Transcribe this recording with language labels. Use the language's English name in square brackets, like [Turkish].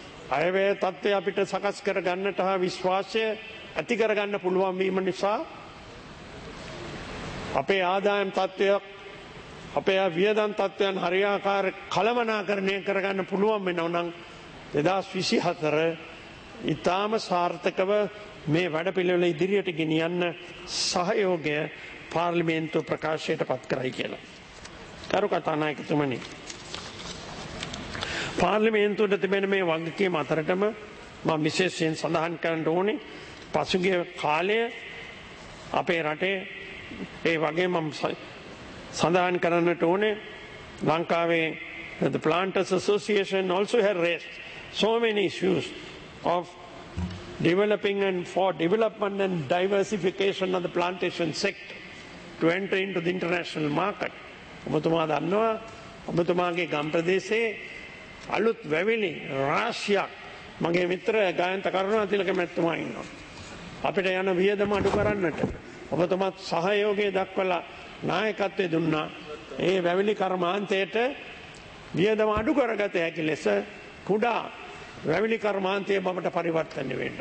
[Sinhala] අයවැය තත්ත්වය අපිට සකස් කර ගන්නට හා විශ්වාසය ඇති කර ගන්න පුළුවන් වීම නිසා අපේ ආදායම් තත්ත්වයක් අපේ වියදම් තත්ත්වයන් හරියාකාර කළමනාකරණය කරගන්න පුළුවන් වෙනව නම් 2024 ඉතාම සාර්ථකව මේ වැඩපිළිවෙල ඉදිරියට ගෙනියන්න සහයෝගය පාර්ලිමේන්තු ප්‍රකාශයට පත් කරයි කියලා. ගරු කතානායකතුමනි, පාර්ලිමේන්තුවට තිබෙන මේ වගකීම අතරටම මම විශේෂයෙන් සඳහන් කරන්න ඕනේ පසුගිය කාලයේ අපේ රටේ ඒ වගේ මම සඳහන් කරන්නට ඕනේ ලංකාවේ [English] the planters association also had raised so many issues of developing and for development and diversification of the plantation sector to enter into the international market. [Sinhala] ඔබතුමා දන්නවා ඔබතුමාගේ ගම් ප්‍රදේශයේ අලුත් වැවිලි රාශියක් මගේ මිත්‍ර ගායන්ත කරුණාතිලක මැතිතුමා ඉන්නවා. අපිට යන වියදම අඩු කරන්නට ඔබතුමාත් සහයෝගය දක්වලා නායකත්වය දුන්නා. ඒ වැවිලි කර්මාන්තයට වියදම අඩු කරගත හැකි ලෙස කුඩා වැවිලි කර්මාන්තය බවට පරිවර්තනය වෙන්න.